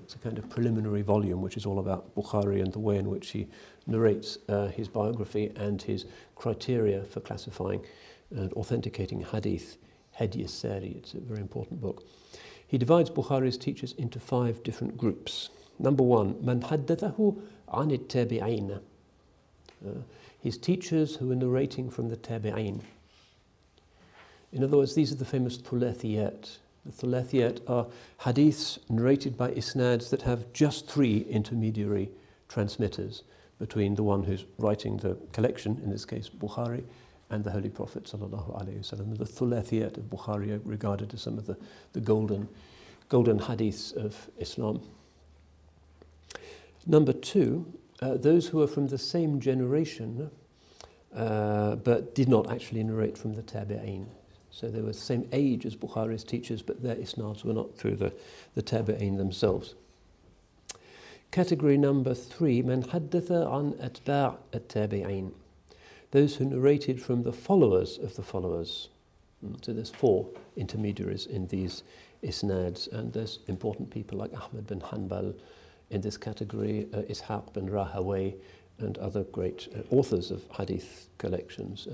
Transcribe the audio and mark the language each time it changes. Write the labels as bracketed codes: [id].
[en] It's a kind of preliminary volume, which is all about Bukhari and the way in which he narrates his biography and his criteria for classifying and authenticating hadith, Hed Yasari. It's a very important book. He divides Bukhari's teachers into five different groups. Number one, [ar] من حدثه عن التابعين. [en] His teachers who were narrating from the tabi'in. In other words, these are the famous thulathiyat. The thulathiyat are hadiths narrated by isnads that have just three intermediary transmitters between the one who's writing the collection, in this case Bukhari, and the Holy Prophet sallallahu alaihi wasallam. The thulathiyat of Bukhari are regarded as some of the golden hadiths of Islam. Number two, those who are from the same generation but did not actually narrate from the tabi'in. So they were the same age as Bukhari's teachers, but their isnads were not through the tabi'in themselves. Category number three, [ar] من حدث عن أتباع التابعين. [en] Those who narrated from the followers of the followers. So there's four intermediaries in these isnads, and there's important people like Ahmad bin Hanbal in this category, Ishaq bin Rahaway, and other great authors of hadith collections.